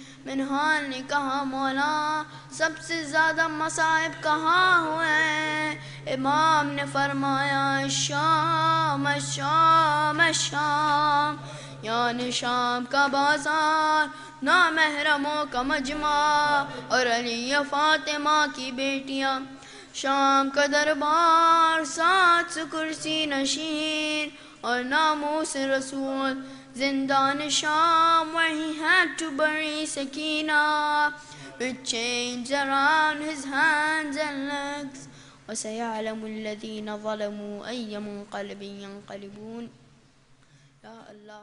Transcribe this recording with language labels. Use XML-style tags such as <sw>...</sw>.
<ur>منحال نے کہا, "مولا سب سے زیادہ مصائب کہاں ہوئے؟" امام نے فرمایا, "شام شام شام, یعنی شام کا بازار, نہ محرموں کا مجمع اور علی فاطمہ کی بیٹیاں. شام کا دربار, 700 کرسی نشین اور ناموس رسول,</ur> <en>زندان شام where he had to bury Sakina, with chains around his hands and legs.</en> <ar>وسيعلم الذين ظلموا أي منقلب ينقلبون. يا الله.</ar>